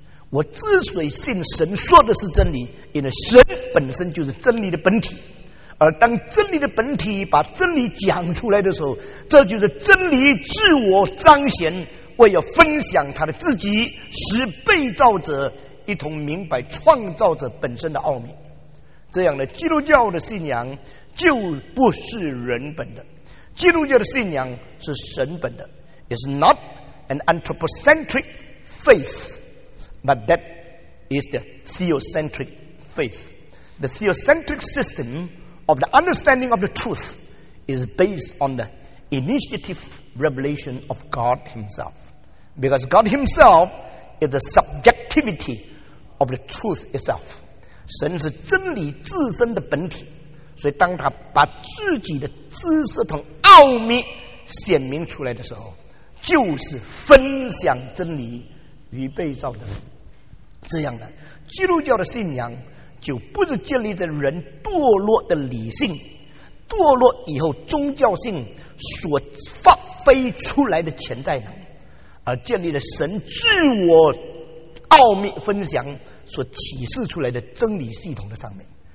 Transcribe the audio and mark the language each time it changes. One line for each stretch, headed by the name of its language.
Chinese: 我之所以信神说的是真理，因为神本身就是真理的本体，而当真理的本体把真理讲出来的时候，这就是真理自我彰显，为要分享他的自己，使被造者一同明白创造者本身的奥秘。这样的基督教的信仰就不是人本的，基督教的信仰是神本的。
English: It's not an anthropocentric faithBut that is the theocentric faith. The theocentric system of the understanding of the truth is based on the initiative revelation of God Himself. Because God Himself is the subjectivity of the truth itself.
Chinese: 神是真理自身的本体，所以当他把自己的知识同奥秘显明出来的时候，就是分享真理与被造的人。这样的基督教的信仰就不是建立在人堕落的理性堕落以后宗教性所发挥出来的潜在能，而建立了神自我奥秘分享所启示出来的真理系统的上面。